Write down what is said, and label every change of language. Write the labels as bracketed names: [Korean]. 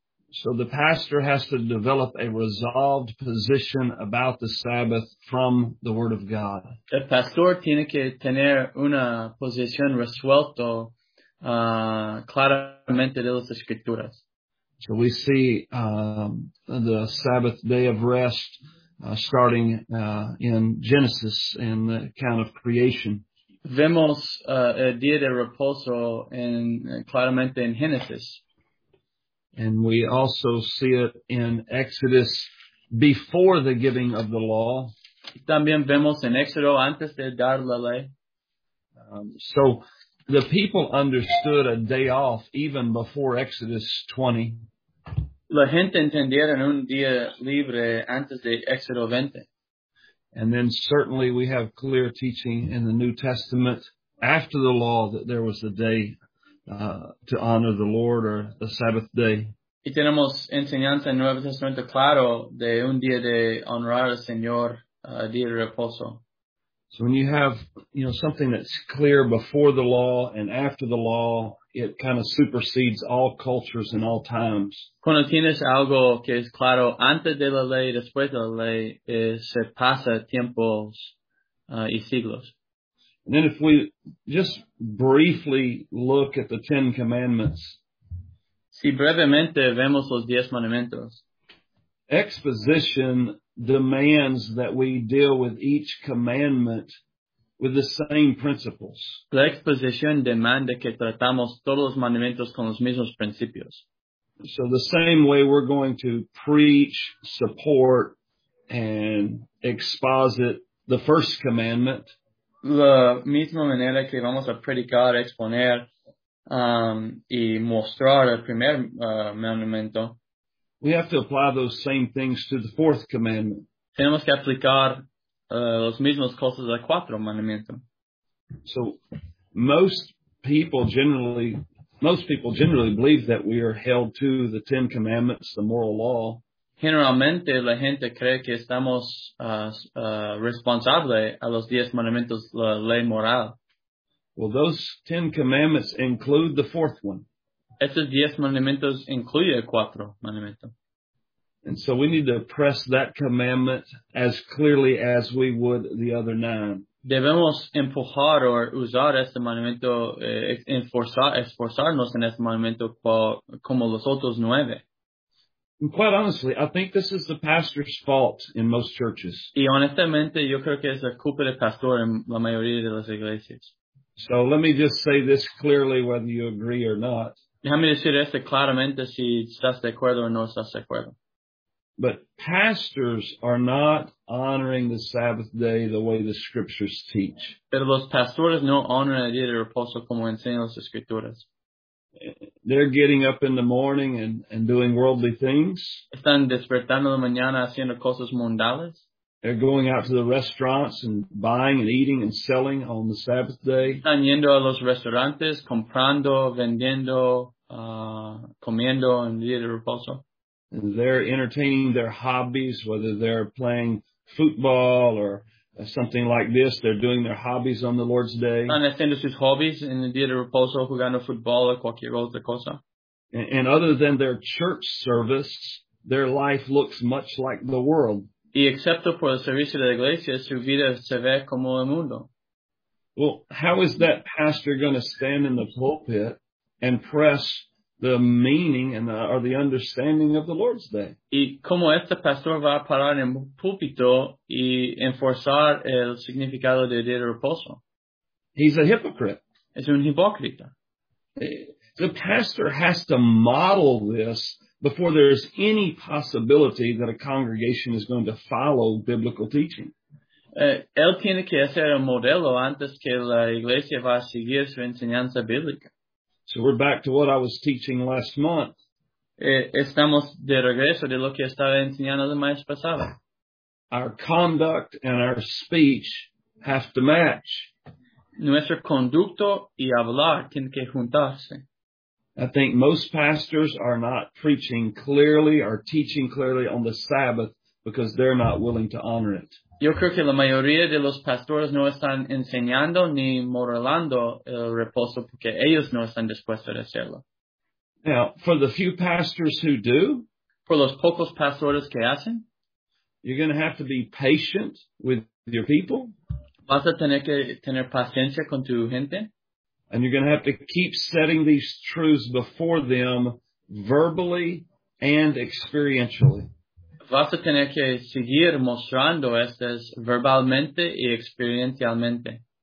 [English] So the pastor has to develop a resolved position about the Sabbath from the Word of God. [Spanish] El pastor tiene que tener una posición resuelta claramente de las Escrituras. [English] So we see the Sabbath day of rest starting in Genesis in the account of creation. [Spanish] Vemos el día de reposo en claramente en Génesis. [English] And we also see it in Exodus before the giving of the law. [Spanish] También vemos en Éxodo antes de dar la ley. [English] So the people understood a day off even before Exodus 20. [Spanish] La gente entendieron un día libre antes de Éxodo 20. [English] And then certainly we have clear teaching in the New Testament after the law that there was a day to honor the Lord or the Sabbath day. [Spanish] Y tenemos enseñanza en Nuevo Testamento claro de un día de honrar al Señor, día de reposo. [English] So when you have, you know, something that's clear before the law and after the law, it kind of supersedes all cultures and all times. [Spanish] Cuando tienes algo que es claro antes de la ley, después de la ley, se pasa tiempos y siglos. [English] And then if we just briefly look at the Ten Commandments. [Spanish] Si brevemente vemos los diez mandamientos. [English] Exposition demands that we deal with each commandment with the same principles. [Spanish] La exposición demanda que tratamos todos los mandamientos con los mismos principios. [English] So the same way we're going to preach, support, and exposit the first commandment. [Spanish] La misma manera que vamos a predicar, exponer y mostrar el primer mandamiento. [English] We have to apply those same things to the fourth commandment. [Spanish] Tenemos que aplicar los mismos cosas al cuarto mandamiento. [English] So most people generally believe that we are held to the Ten Commandments, the moral law. [Spanish] Generalmente, la gente cree que estamos responsables a los diez mandamientos, la ley moral. [English] Well, those Ten Commandments include the fourth one. [Spanish] Esos diez mandamientos incluye el cuatro mandamiento. [English] And so we need to press that commandment as clearly as we would the other nine. [Spanish] Debemos empujar o usar este mandamiento, esforzarnos en este mandamiento como los otros nueve. [English] And quite honestly, I think this is the pastor's fault in most churches. [Spanish] Y honestamente, yo creo que es la culpa del pastor en la mayoría de las iglesias. [English] So let me just say this clearly, whether you agree or not. [Spanish] Déjame decir esto claramente si estás de acuerdo o no estás de acuerdo. [English] But pastors are not honoring the Sabbath day the way the scriptures teach. [Spanish] Pero los pastores no honran el día de reposo como enseñan las escrituras. [English] They're getting up in the morning and doing worldly things. [Spanish] Están despertando la mañana haciendo cosas mundanas. [English] They're going out to the restaurants and buying and eating and selling on the Sabbath day. [Spanish] Están yendo a los restaurantes, comprando, vendiendo, comiendo en el día de reposo. [English] And they're entertaining their hobbies, whether they're playing football or something like this. They're doing their hobbies on the Lord's Day. [Spanish] Están haciendo sus hobbies en el día de reposo, jugando fútbol o cualquier otra cosa. [English] And other than their church service, their life looks much like the world. [Spanish] Y excepto por el servicio de la iglesia, su vida se ve como el mundo. [English] Well, how is that pastor going to stand in the pulpit and press the meaning and or the understanding of the Lord's Day? [Spanish] Y cómo este pastor va a parar en púlpito y enforzar el significado del día de reposo? [English] He's a hypocrite. [Spanish] Es un hipócrita. [English] The pastor has to model this before there's any possibility that a congregation is going to follow biblical teaching. [Spanish] Él tiene que hacer un modelo antes que la iglesia va a seguir su enseñanza bíblica. [English] So we're back to what I was teaching last month. [Spanish] Estamos de regreso de lo que estaba enseñando el mes pasado. [English] Our conduct and our speech have to match. [Spanish] Nuestro conducto y hablar tienen que juntarse. [English] I think most pastors are not preaching clearly or teaching clearly on the Sabbath because they're not willing to honor it. [Spanish] Yo creo que la mayoría de los pastores no están enseñando ni modelando el reposo porque ellos no están dispuestos a hacerlo. [English] Now, for the few pastors who do, [Spanish] por los pocos pastores que hacen, [English] you're going to have to be patient with your people. [Spanish] Vas a tener que tener paciencia con tu gente. [English] And you're going to have to keep setting these truths before them verbally and experientially. [Spanish] Vas a tener que seguir mostrando estas verbalmente y experiencialmente.